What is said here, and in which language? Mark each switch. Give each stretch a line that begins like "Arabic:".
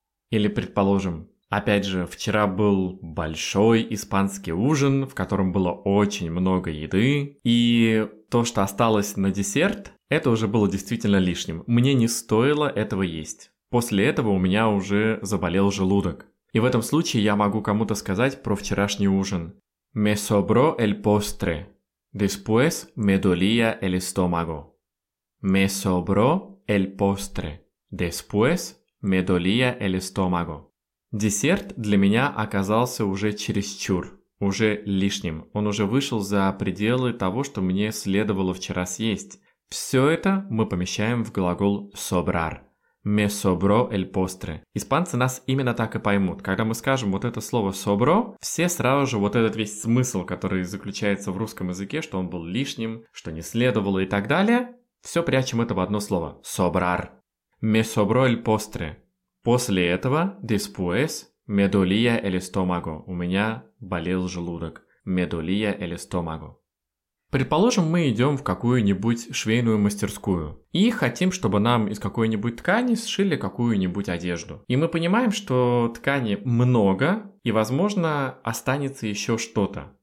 Russian: Или, предположим, опять же, вчера был большой испанский ужин, в котором было очень много еды, и то, что осталось на десерт, это уже было действительно лишним. Мне не стоило этого есть. После этого у меня уже заболел желудок. И в этом случае я могу кому-то сказать про вчерашний ужин.
Spanish: Me sobró el postre. Después me dolía el estómago. Me sobró el postre. Después me dolía el estómago.
Russian: Десерт для меня оказался уже чересчур, уже лишним. Он уже вышел за пределы того, что мне следовало вчера съесть. Все это мы помещаем в глагол sobrar.
Spanish: Me sobró el postre.
Russian: Испанцы нас именно так и поймут. Когда мы скажем вот это слово sobró, все сразу же вот этот весь смысл, который заключается в русском языке, что он был лишним, что не следовало и так далее, все прячем это в одно слово.
Spanish: Sobrar. Me sobró el postre.
Russian: После этого,
Spanish: después, me dolía el estómago.
Russian: У меня болел желудок.
Spanish: Me dolía el estómago.
Russian: Предположим, мы идем в какую-нибудь швейную мастерскую и хотим, чтобы нам из какой-нибудь ткани сшили какую-нибудь одежду. И мы понимаем, что ткани много и, возможно, останется еще что-то.